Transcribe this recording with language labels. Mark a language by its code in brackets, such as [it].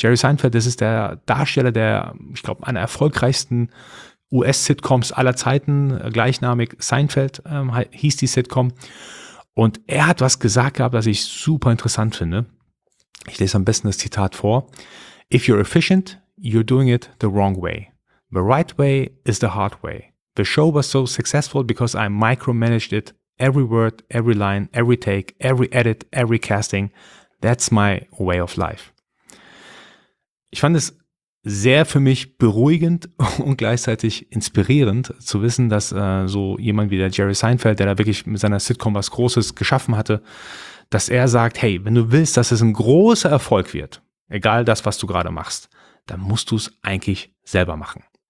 [de] Jerry Seinfeld, das ist der Darsteller der, ich glaube, einer erfolgreichsten US-Sitcoms aller Zeiten, gleichnamig Seinfeld hieß die Sitcom. Und er hat was gesagt gehabt, das ich super interessant finde. Ich lese am besten das Zitat vor. [en] If you're efficient, you're doing it the wrong way. The right way is the hard way. The show was so successful because I micromanaged it. Every word, every line, every take, every edit, every casting. That's my way of life. [de] Ich fand es sehr für mich beruhigend und gleichzeitig inspirierend zu wissen, dass so jemand wie der Jerry Seinfeld, der da wirklich mit seiner Sitcom was Großes geschaffen hatte, dass er sagt, hey, wenn du willst, dass es ein großer Erfolg wird, egal das, was du gerade machst, dann musst du es eigentlich selber machen.